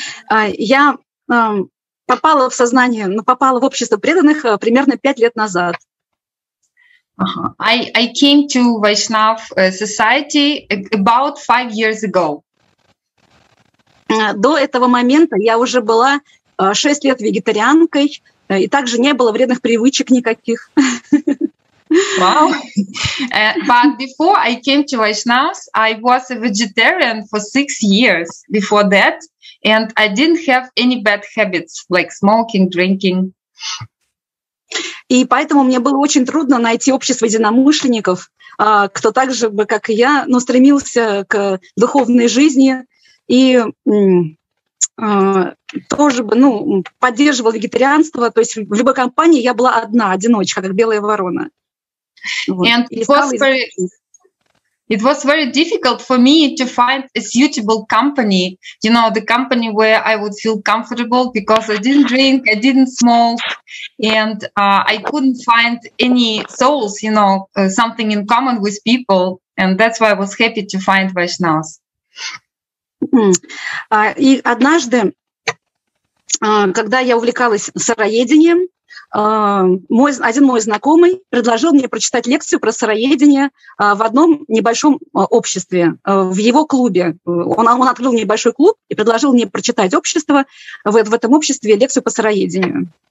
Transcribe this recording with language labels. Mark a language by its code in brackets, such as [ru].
[ru] Я попала в сознание, попала в общество преданных примерно 5 лет назад. [en] I came to Vaishnav society about 5 years ago. [ru] До этого момента я уже была 6 лет вегетарианкой, и также не было вредных привычек никаких. [en] Wow. But before I came to Vaishnavs, I was a vegetarian for 6 years before that, and I didn't have any bad habits, like smoking, drinking. [ru] И поэтому мне было очень трудно найти общество единомышленников, кто так же бы, как и я, но стремился к духовной жизни и тоже бы, ну, поддерживал вегетарианство, то есть в любой компании я была одна, одиночка, как белая ворона. [en] And it was very difficult for me to find a suitable company, you know, the company where I would feel comfortable, because I didn't drink, I didn't smoke, and I couldn't find any souls, you know, something in common with people, and that's why I was happy to find Vaishnavs. [ru] И однажды, когда я увлекалась сыроедением, Один мой знакомый предложил мне прочитать лекцию про сыроедение в одном небольшом обществе, в его клубе. Он открыл небольшой клуб и предложил мне прочитать общество в этом обществе лекцию по сыроедению.